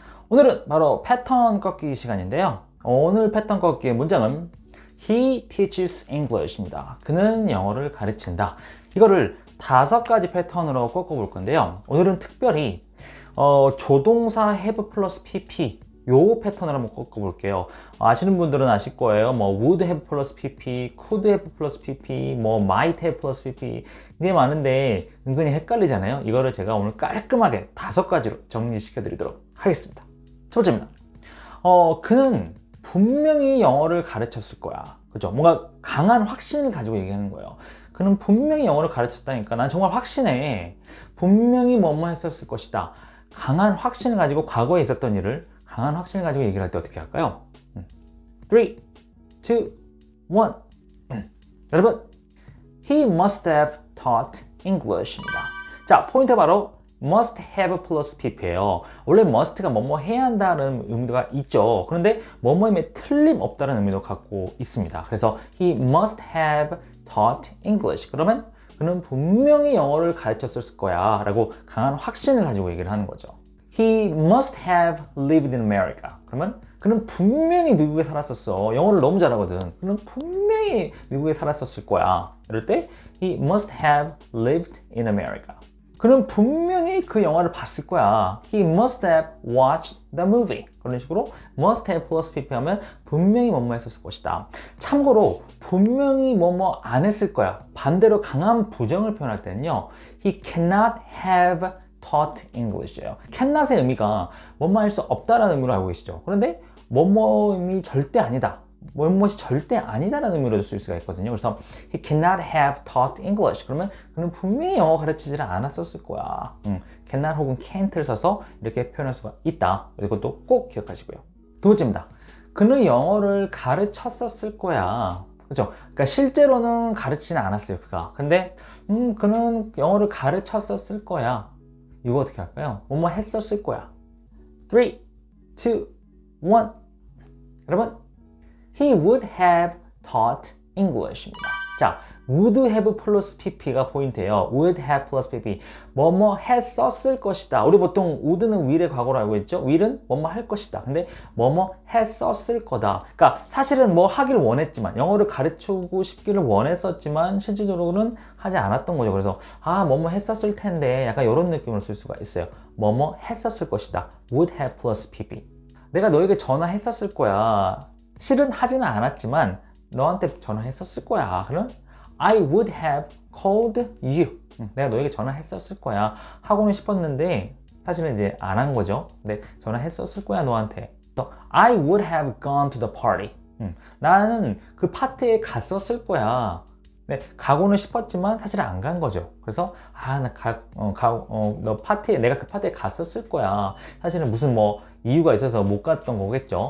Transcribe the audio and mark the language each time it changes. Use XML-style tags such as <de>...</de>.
<ko>오늘은 바로 패턴 꺾기 시간인데요. 오늘 패턴 꺾기의 문장은</ko> <en>He teaches English</en> <ko>입니다. 그는 영어를 가르친다. 이거를 다섯 가지 패턴으로 꺾어볼 건데요. 오늘은 특별히 조동사 have 플러스 pp 요 패턴을 한번 꺾어볼게요. 아시는 분들은 아실 거예요.</ko> <en>뭐 would have plus pp, could have plus pp, 뭐 might have plus pp</en> <ko>이게 많은데 은근히 헷갈리잖아요. 이거를 제가 오늘 깔끔하게 다섯 가지로 정리시켜드리도록 하겠습니다. 첫 번째입니다. 그는 분명히 영어를 가르쳤을 거야. 그렇죠? 뭔가 강한 확신을 가지고 얘기하는 거예요. 그는 분명히 영어를 가르쳤다니까. 난 정말 확신해. 분명히 뭐뭐 했었을 것이다. 강한 확신을 가지고 과거에 있었던 일을 강한 확신을 가지고 얘기를 할 때 어떻게 할까요? 3, 2, 1. 여러분,</ko> <en>he must have taught English입니다.</en> <ko>자, 포인트 바로 must have plus pp예요. 원래 must가 뭐뭐 해야 한다는 의미가 있죠. 그런데 뭐뭐임에 틀림없다는 의미도 갖고 있습니다. 그래서</ko> <en>he must have taught English.</en> <ko>그러면 그는 분명히 영어를 가르쳤을 거야 라고 강한 확신을 가지고 얘기를 하는 거죠.</ko> <en>He must have lived in America.</en> <ko>그러면 그는 분명히 미국에 살았었어. 영어를 너무 잘하거든. 그는 분명히 미국에 살았었을 거야. 이럴 때</ko> <en>He must have lived in America.</en> <ko>그는 분명히 그 영화를 봤을 거야.</ko> <en>He must have watched the movie.</en> <ko>그런 식으로 must have plus pp 하면 분명히 뭐뭐 했었을 것이다. 참고로 분명히 뭐뭐 안 했을 거야. 반대로 강한 부정을 표현할 때는요.</ko> <en>He cannot have taught English예요.</en> <ko>cannot의 의미가 뭐뭐 할 수 없다라는 의미로 알고 계시죠. 그런데 뭐뭐이 절대 아니다. 뭐뭐이 절대 아니다라는 의미로 쓸 수가 있거든요. 그래서</ko> <en>he cannot have taught English.</en> <ko>그러면 그는 분명히 영어 가르치지를 않았었을 거야. cannot 혹은 can't를 써서 이렇게 표현할 수가 있다. 이것도 꼭 기억하시고요. 두 번째입니다. 그는 영어를 가르쳤었을 거야. 그죠? 그러니까 실제로는 가르치진 않았어요, 그가. 근데 그는 영어를 가르쳤었을 거야. 이거 어떻게 할까요? 뭐뭐 했었을 거야. 3, 2, 1. 여러분,</ko> <en>he would have taught English입니다.</en> <ko>자, would have plus pp가 포인트예요.</ko> <en>would have plus pp.</en> <ko>뭐뭐 했었을 것이다. 우리 보통 would는 will의 과거로 알고 있죠? will은 뭐뭐 할 것이다. 근데 뭐뭐 했었을 거다. 그러니까 사실은 뭐 하길 원했지만, 영어를 가르치고 싶기를 원했었지만 실질적으로는 하지 않았던 거죠. 그래서 아, 뭐뭐 했었을 텐데 약간 이런 느낌으로 쓸 수가 있어요. 뭐뭐 했었을 것이다.</ko> <en>would have plus pp.</en> <ko>내가 너에게 전화했었을 거야. 실은 하지는 않았지만 너한테 전화했었을 거야. 그럼</ko> <en>I would have called you.</en> <ko>내가 너에게 전화했었을 거야 하고는 싶었는데 사실은 이제 안 한 거죠. 근데 전화했었을 거야 너한테.</ko> <en>I would have gone to the party.</en> <ko>나는 그 파티에 갔었을 거야. 네, 가고는 싶었지만 사실 안 간 거죠. 그래서 아, 너 파티에, 내가 그 파티에 갔었을 거야. 사실은 무슨 뭐 이유가 있어서 못 갔던 거겠죠.</ko>